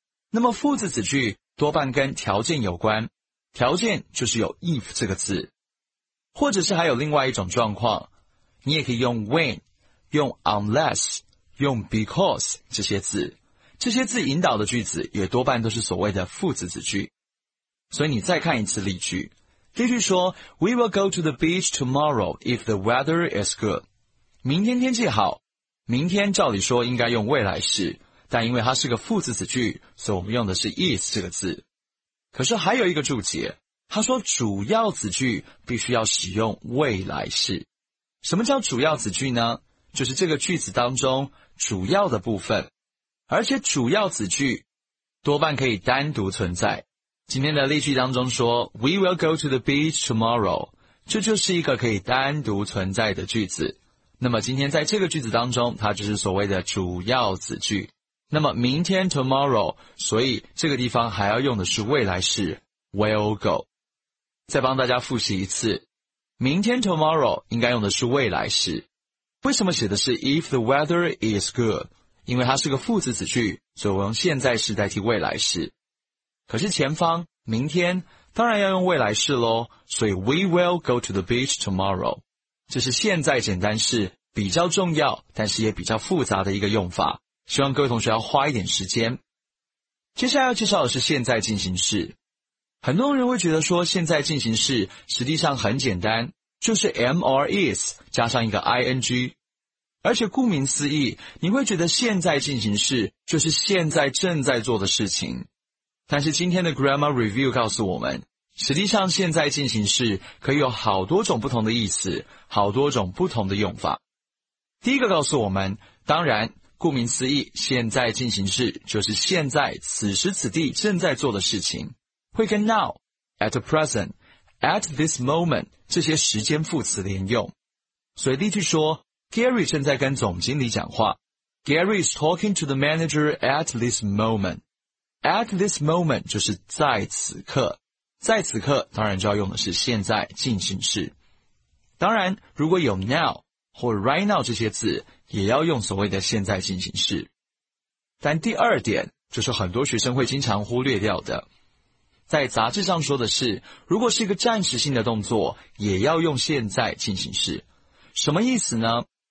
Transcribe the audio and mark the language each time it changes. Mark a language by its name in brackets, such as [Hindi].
[Chinese] 那么副词子句多半跟条件有关，条件就是有 if 这个字。或者是还有另外一种状况，你也可以用 when, 用 unless,用 because 这些字，这些字引导的句子也多半都是所谓的副词子句。所以你再看一次例句，例句说 [English] We will go to the beach tomorrow if the weather is good。 [Chinese] 明天天气好，明天照理说应该用未来式，但因为它是个副词子句，所以我们用的是 is 这个字。可是还有一个注解，他说主要子句必须要使用未来式。什么叫主要子句呢？就是这个句子当中主要的部分，而且主要子句多半可以单独存在。今天的例句当中说 [English] We will go to the beach tomorrow, [Chinese] 这就是一个可以单独存在的句子。那么今天在这个句子当中，它就是所谓的主要子句。那么明天 tomorrow, 所以这个地方还要用的是未来式 will go。再帮大家复习一次，明天 tomorrow 应该用的是未来式。为什么写的是 [English] if the weather is good? [Chinese] 因为它是个副词子句，所以我用现在式代替未来式。可是前方明天当然要用未来式咯，所以 [English] we will go to the beach tomorrow。 [Chinese] 这是现在简单式比较重要但是也比较复杂的一个用法，希望各位同学要花一点时间。接下来要介绍的是现在进行式。很多人会觉得说现在进行式实际上很简单，就是 am or is 加上一个 ing。而且顾名思义，你会觉得现在进行式就是现在正在做的事情，但是今天的 Grammar Review 告诉我们，实际上现在进行式可以有好多种不同的意思，好多种不同的用法。第一个告诉我们，当然顾名思义，现在进行式就是现在此时此地正在做的事情，会跟 now, at present,at this moment 这些时间副词连用。所以例句说 Gary 正在跟总经理讲话， [English] Gary is talking to the manager at this moment。 [Chinese] at this moment 就是在此刻，在此刻当然就要用的是现在进行式。当然如果有 now 或 right now 这些字也要用所谓的现在进行式。但第二点就是很多学生会经常忽略掉的，在杂志上说的是，如果是一个暂时性的动作也要用现在进行式。什么意思呢？